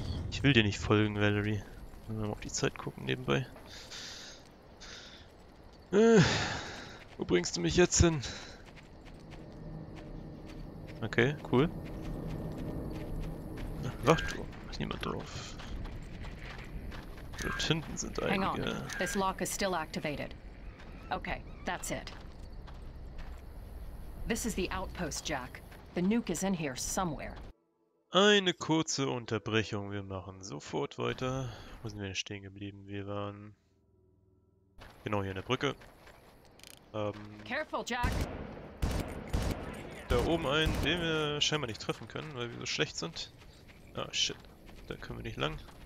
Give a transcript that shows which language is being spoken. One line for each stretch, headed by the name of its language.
German: Ich will dir nicht folgen, Valerie. Wenn wir mal auf die Zeit gucken nebenbei. Wo bringst du mich jetzt hin? Okay, cool. Wachturm, macht niemand drauf. Dort hinten sind einige.
English: Hang on. This lock is still activated. Okay, that's it. This is the outpost, Jack. The nuke is in here somewhere.
German: Eine kurze Unterbrechung. Wir machen sofort weiter. Wo sind wir denn stehen geblieben? Wir waren genau hier in der Brücke.
English: Careful, Jack.
German: Da oben einen, den wir scheinbar nicht treffen können, weil wir so schlecht sind. Ah, shit. Da können wir nicht lang.